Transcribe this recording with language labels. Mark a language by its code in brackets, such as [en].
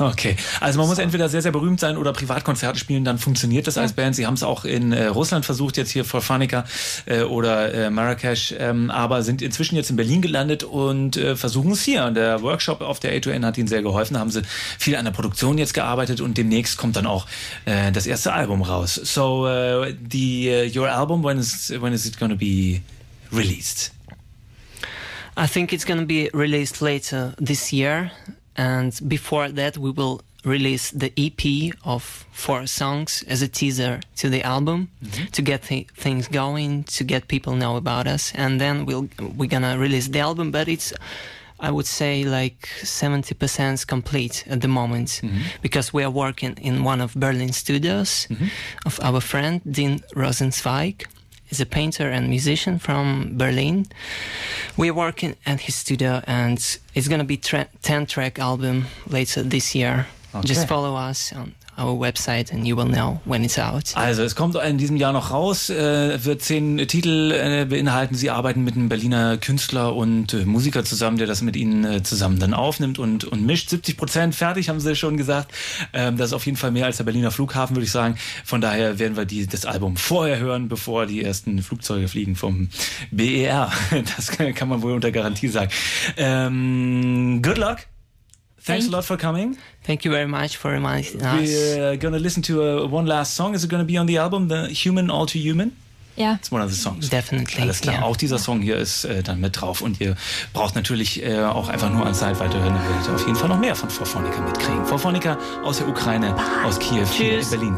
[de] Okay, also man muss entweder sehr, sehr berühmt sein oder Privatkonzerte spielen, dann funktioniert das als Band. Sie haben es auch in Russland versucht, jetzt hier Four Phonica oder Marrakesch, aber sind inzwischen jetzt in Berlin gelandet und versuchen es hier. Und der Workshop auf der A2N hat ihnen sehr geholfen, da haben sie viel an der Produktion jetzt gearbeitet und demnächst kommt dann auch das erste Album raus. [en] So, your album, when is it going to be released? I think it's going to be released later this year, and before that we will release the EP of four songs as a teaser to the album, mm-hmm. to get things going, to get people know about us, and then we're going to release the album, but it's, I would say, like 70% complete at the moment, mm-hmm. because we are working in one of Berlin studios, mm-hmm. of our friend Dean Rosenzweig. He's a painter and musician from Berlin. We're working at his studio, and it's going to be a 10-track album later this year. Okay. Just follow us on our website and you will know when it's out. [de] Also, es kommt in diesem Jahr noch raus, wird 10 Titel beinhalten. Sie arbeiten mit einem Berliner Künstler und Musiker zusammen, der das mit Ihnen zusammen dann aufnimmt und mischt. 70% fertig, haben Sie schon gesagt. Das ist auf jeden Fall mehr als der Berliner Flughafen, würde ich sagen. Von daher werden wir das Album vorher hören, bevor die ersten Flugzeuge fliegen vom BER. Das kann man wohl unter Garantie sagen. Good luck. Thanks a lot for coming. [en] Thank you very much for reminding us. We're going to listen to one last song. Is it going to be on the album, The Human All Too Human? Yeah. It's one of the songs. Definitely. [de] Alles klar, auch dieser Song hier ist dann mit drauf. Und ihr braucht natürlich auch einfach nur an Zeit weiterhören. Dann werdet ihr auf jeden Fall noch mehr von Four Phonica mitkriegen. Four Phonica aus der Ukraine, aus Kiew, hier in Berlin.